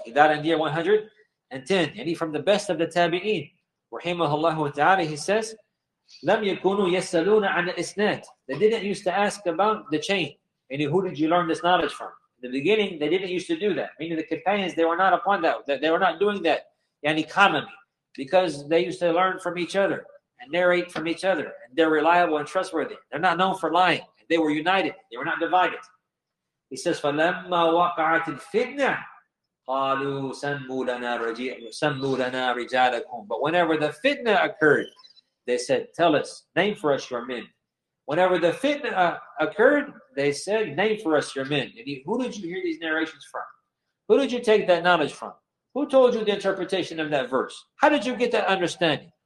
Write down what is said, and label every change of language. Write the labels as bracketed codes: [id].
[en] He died in the year 110. And he from the best of the tabi'een, rahimahullah ta'ala, he says, [ar] لَمْ يَكُونُوا يَسَّلُونَ عَنَ الْإِسْنَاتِ, [en] they didn't used to ask about the chain. Meaning, who did you learn this knowledge from? In the beginning, they didn't used to do that. Meaning the companions, they were not upon that. They were not doing that. Yani commonly, because they used to learn from each other and narrate from each other. And they're reliable and trustworthy. They're not known for lying. They were united. They were not divided. [ar] He says, فَلَمَّا وَقَعَتِ الْفِتْنَةِ قَالُوا سَمُّوا لَنَا رِجَالَكُمْ. [en] But whenever the fitna occurred, they said, tell us, name for us your men. Whenever the fitna occurred, they said, name for us your men. And who did you hear these narrations from? Who did you take that knowledge from? Who told you the interpretation of that verse? How did you get that understanding?